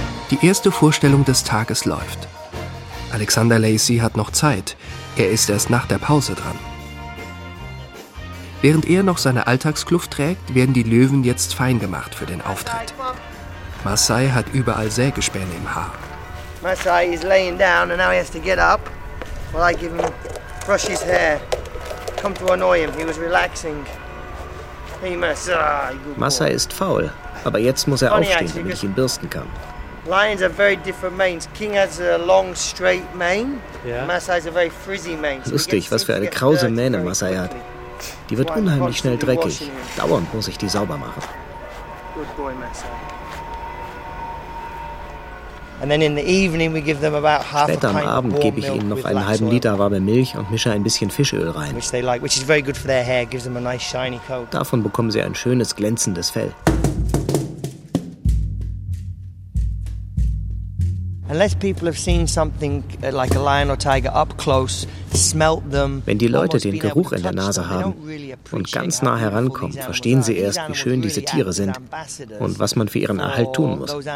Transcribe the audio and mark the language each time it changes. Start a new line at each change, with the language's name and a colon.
German: Die erste Vorstellung des Tages läuft. Alexander Lacey hat noch Zeit. Er ist erst nach der Pause dran. Während er noch seine Alltagskluft trägt, werden die Löwen jetzt fein gemacht für den Auftritt. Masai hat überall Sägespäne im Haar.
English: Masai is laying down and now he has to get up while I give him brush his hair. Come to annoy him. He was relaxing. Hey Masai.
German: Masai ist faul, aber jetzt muss er aufstehen, damit ich ihn bürsten kann.
English: Lions have very different manes. King has a long straight mane. Masai has a very frizzy mane.
German: Lustig, was für eine krause Mähne Masai hat. Die wird unheimlich schnell dreckig. Dauernd muss ich die sauber machen.
English: Good boy, Masai. And then in the evening we give them about half a pint.
German: Später am Abend gebe ich ihnen noch einen halben Liter warme Milch und mische ein bisschen Fischöl rein.
English: Which they like, which is very good for their hair, gives them a nice shiny coat.
German: Davon bekommen sie ein schönes glänzendes Fell.
English: Unless people have seen something like a lion or tiger up close, smelt them.
German: Wenn die Leute den Geruch in der Nase haben und ganz nah herankommen, verstehen sie erst, wie schön diese Tiere sind und was man für ihren Erhalt tun muss.